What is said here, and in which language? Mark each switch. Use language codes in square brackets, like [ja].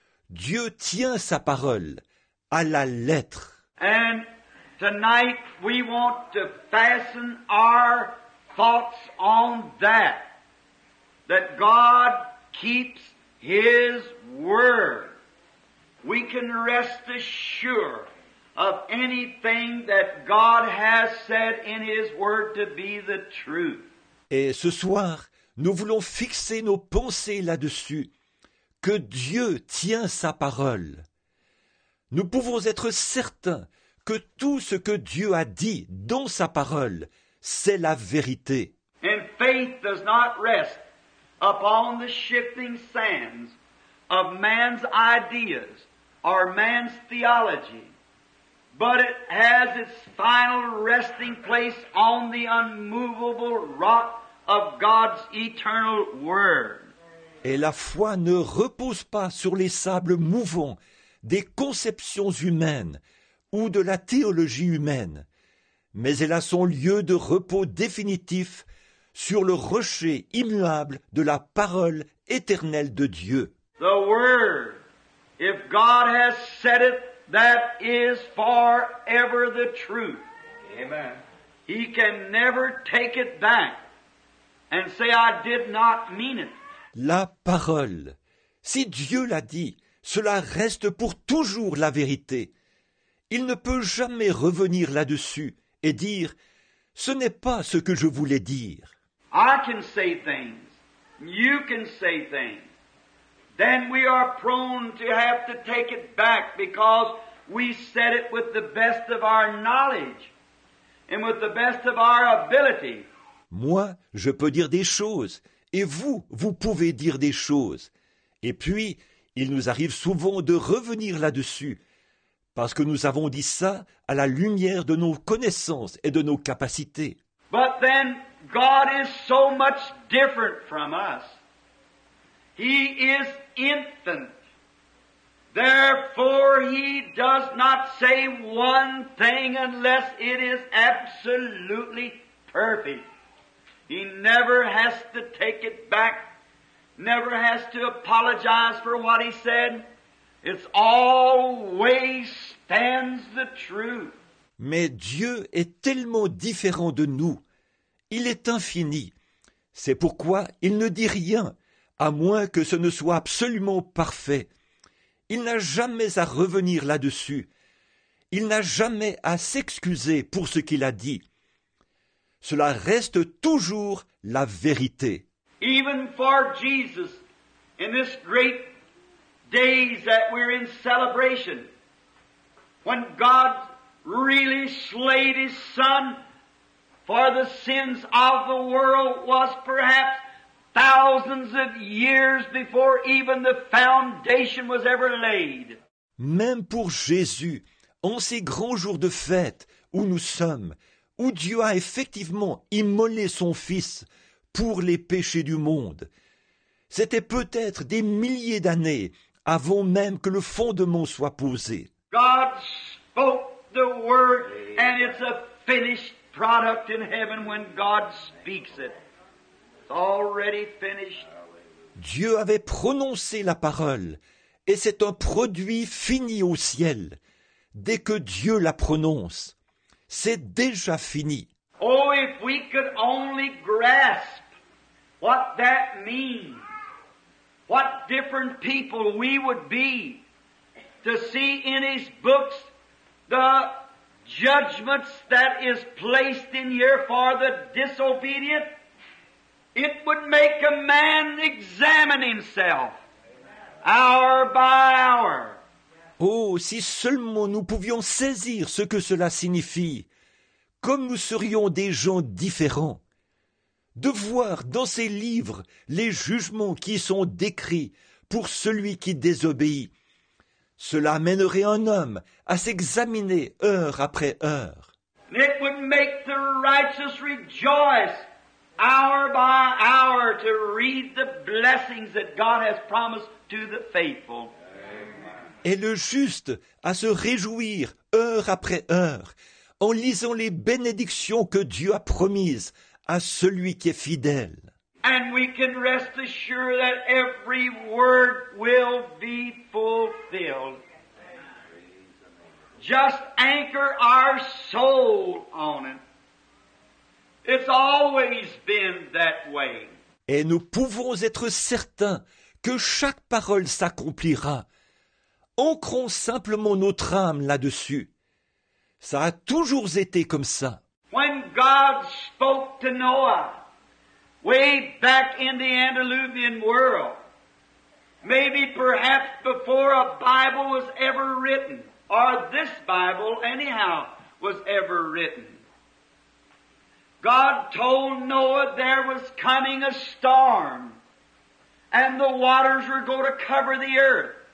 [fr] Dieu tient sa parole à la lettre. [en] And tonight we want to fasten our thoughts on that, that God keeps his word. We can rest assured of anything that God has said in his word to be the truth. [fr] Et ce soir, nous voulons fixer nos pensées là-dessus. Que Dieu tient sa parole. Nous pouvons être certains que tout ce que Dieu a dit dans sa parole, c'est la vérité. [en] And faith does not rest upon the shifting sands of man's ideas or man's theology, but it has its final resting place on the unmovable rock of God's eternal word. [fr] Et la foi ne repose pas sur les sables mouvants des conceptions humaines ou de la théologie humaine, mais elle a son lieu de repos définitif sur le rocher immuable de la parole éternelle de Dieu. [en] The word, if God has said it, that is forever the truth. Amen. He can never take it back and say, I did not mean it. [fr] La parole, si Dieu l'a dit, cela reste pour toujours la vérité. Il ne peut jamais revenir là-dessus et dire, ce n'est pas ce que je voulais dire. [en] I can say things, you can say things. Then we are prone to have to take it back because we said it with the best of our knowledge and with the best of our ability. [fr] Moi, je peux dire des choses. Et vous, vous pouvez dire des choses. Et puis, il nous arrive souvent de revenir là-dessus, parce que nous avons dit ça à la lumière de nos connaissances et de nos capacités. [en] But then, God is so much different from us. He is infinite. Therefore, he does not say one thing unless it is absolutely perfect. He never has to take it back, never has to apologize for what he said. It always stands the truth. [fr] Mais Dieu est tellement différent de nous. Il est infini. C'est pourquoi il ne dit rien, à moins que ce ne soit absolument parfait. Il n'a jamais à revenir là-dessus. Il n'a jamais à s'excuser pour ce qu'il a dit. Cela reste toujours la vérité. [en] Even for Jesus, in this great days that we're in celebration, when God really slayed his son for the sins of the world, was perhaps thousands of years before even the foundation was ever laid. [fr] Même pour Jésus, en ces grands jours de fête où nous sommes, où Dieu a effectivement immolé son Fils pour les péchés du monde. C'était peut-être des milliers d'années avant même que le fondement soit posé. [en] God spoke the word and it's a finished product in heaven when God speaks it. It's already finished. [fr] Dieu avait prononcé la parole et c'est un produit fini au ciel. Dès que Dieu la prononce, c'est déjà fini. [en] Oh, if we could only grasp what that means, what different people we would be to see in his books the judgments that is placed in here for the disobedient, it would make a man examine himself hour by hour. [fr] Oh, si seulement nous pouvions saisir ce que cela signifie, comme nous serions des gens différents. De voir dans ces livres les jugements qui sont décrits pour celui qui désobéit, cela amènerait un homme à s'examiner heure après heure. [en] It would make the righteous rejoice hour by hour to read the blessings that God has promised to the faithful. [fr] Et le juste à se réjouir heure après heure en lisant les bénédictions que Dieu a promises à celui qui est fidèle. [en] And we can rest assured that every word will be fulfilled. Just anchor our soul on it. It's always been that way. [fr] Et nous pouvons être certains que chaque parole s'accomplira. Ancrons simplement notre âme là-dessus. Ça a toujours été comme ça. [en] When God spoke to Noah, way back in the Antediluvian world, maybe perhaps before a Bible was ever written, or this Bible anyhow was ever written, God told Noah there was coming a storm and the waters were going to cover the earth.